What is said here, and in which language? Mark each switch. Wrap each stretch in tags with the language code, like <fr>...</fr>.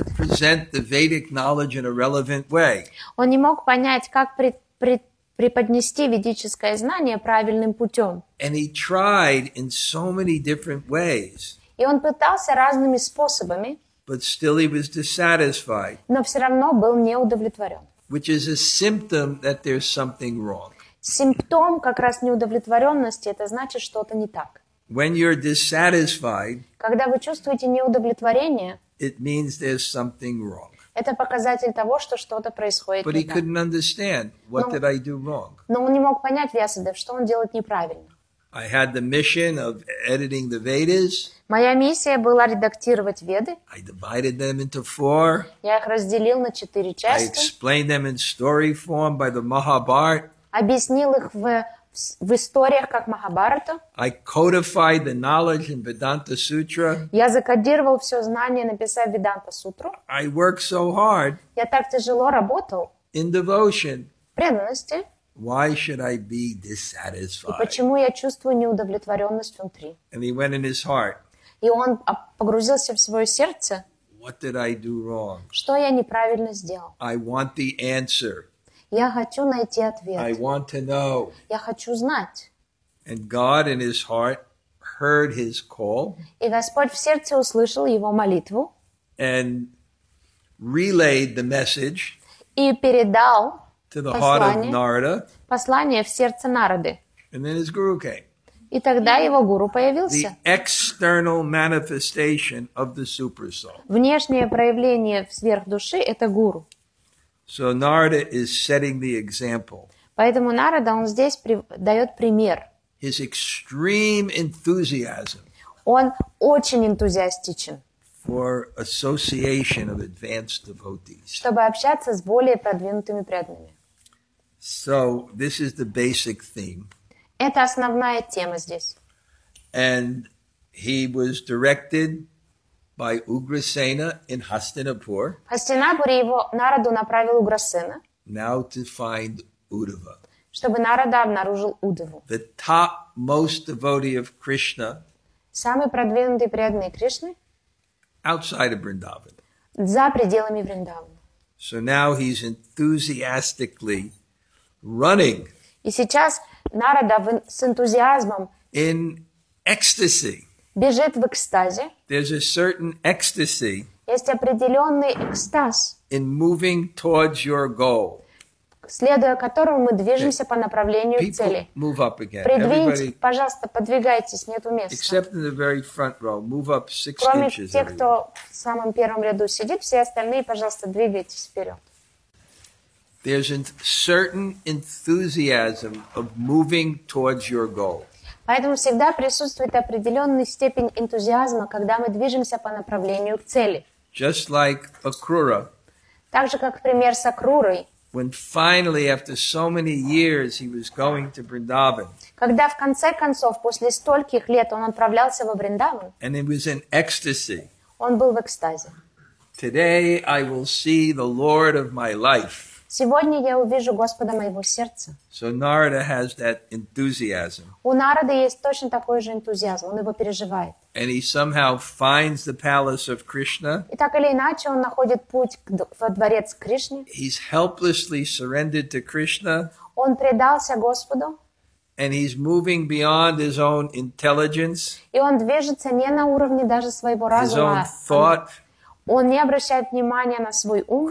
<en>How to present the Vedic knowledge in a relevant way.</en> <ru>Он не мог понять, как преподнести ведическое знание правильным путем.</ru> <en>And he tried in so many different ways.</en> <ru>И он пытался разными способами.</ru> <en>But still he was dissatisfied.</en> <ru>Но все равно был неудовлетворен.</ru> <en>Which is a symptom that there's something wrong.</en> <ru>Симптом как раз неудовлетворенности, это значит что-то не так.</ru> <en>When you're dissatisfied,</en> <ru>когда вы чувствуете неудовлетворение,</ru> <en>it means there's something wrong.</en> <ru>Это показатель того, что что-то происходит</ru> <en>But</en> <ru>не</ru> <en>he couldn't</en> <ru>так.</ru> <en>Understand, what did I do wrong?</en> <ru>Но он не мог понять, Вьясадев, что он делает неправильно.</ru> <en>I had the mission of editing the Vedas.</en> <ru>Моя миссия была редактировать Веды.</ru> <en>I divided them into four.</en> <ru>Я их разделил на четыре части.</ru> <en>I explained them in story form by the Mahabharata.</en> <ru>Объяснил их в историях, как Махабхарата.</ru> <en>I codified the knowledge in Vedanta Sutra.</en> <ru>Я закодировал все знание, написав Веданта Сутру.</ru> <en>I worked so hard.</en> <ru>Я так тяжело работал.</ru> <en>In devotion.</en> <ru>В преданности.</ru> <en>Why should I be dissatisfied?</en> <ru>И почему я чувствую неудовлетворенность внутри?</ru> <en>And he went in his heart.</en> <ru>И он погрузился в свое сердце.</ru> <en>What did I do wrong?</en> <ru>Что я неправильно сделал?</ru> <en>I want the answer.</en> <ru>Я хочу найти ответ.</ru> <en>I want to know.</en> <ru>Я хочу знать.</ru> <en>And God in his heart heard his call.</en> <ru>И Господь в сердце услышал его молитву.</ru> <en>And relayed the message.</en> <ru>И передал</ru> <en>to the heart of Narada.</en> <ru>Послание в сердце Нарады.</ru> <en>And then his guru came.</en> <ru>И тогда его гуру появился.</ru> <en>The external manifestation of the super soul.</en> <ru>Внешнее проявление сверхдуши – это гуру.</ru> <en>So Narada is setting the example.</en> <ru>Поэтому Нарада, он здесь дает пример.</ru> <en>His extreme enthusiasm.</en> <ru>Он очень энтузиастичен.</ru> <en>For association of advanced devotees.</en> <ru>Чтобы общаться с более продвинутыми преданными.</ru> <en>So this is the basic theme.</en> <ru>Это основная тема здесь.</ru> <en>And he was directed by Ugrasena in Hastinapur.</en> <ru>Hastinapura его Нараду направил Уграсена.</ru> <en>Now to find Uddhava.</en> <ru>Чтобы Нарада обнаружил Уддаву.</ru> <en>The topmost devotee of Krishna.</en> <ru>Самый продвинутый преданный Кришны.</ru> <en>Outside of Vrindavan.</en> <ru>За пределами Вриндавана.</ru> <en>So now he's enthusiastically running.</en> <ru>И сейчас Нарада с энтузиазмом</ru> <en>in ecstasy.</en> <ru>Бежит в экстазе.</ru> <en>There's a certain ecstasy.</en> <ru>Есть определенный экстаз.</ru> <en>In moving towards your goal.</en> <ru>Следуя которому мы движемся по направлению</ru> <en>People</en> <ru>цели.</ru> <en>Move up again.</en> <ru>Придвиньте,</ru> <en>everybody,</en> <ru>пожалуйста, подвигайтесь, нету места.</ru> <en>Except in the very front row, move up six</en> <ru>Кроме</ru> <en>inches.</en> <ru>Кроме тех, кто в самом первом ряду сидит, все остальные, пожалуйста, двигайтесь вперед.</ru> <en>There's a certain enthusiasm of moving towards your goal.</en> <ru>Поэтому всегда присутствует определенная степень энтузиазма, когда мы движемся по направлению к цели.</ru> <en>Just like Akrura.</en> <ru>Так же, как пример с Акрурой.</ru> <en>When finally, after so many years, he was going to Vrindavan.</en> <ru>Когда в конце концов, после стольких лет, он отправлялся во Вриндаван.</ru> <en>And he was in ecstasy.</en> <ru>Он был в экстазе.</ru> <en>Today I will see the Lord of my life.</en> <ru>Сегодня я увижу Господа моего сердца.</ru> <en>So Narada has that enthusiasm.</en> <ru>У Нарады есть точно такой же энтузиазм, он его переживает.</ru> <en>And he somehow finds the palace of Krishna.</en> <ru>И так или иначе он находит путь во дворец Кришны.</ru> <en>He's helplessly surrendered to Krishna.</en> <ru>Он предался Господу.</ru> <en>And he's moving beyond his own intelligence.</en> <ru>И он движется не на уровне даже своего разума.</ru> <en>His own thought.</en> <ru>Он не обращает внимания на свой ум.</ru>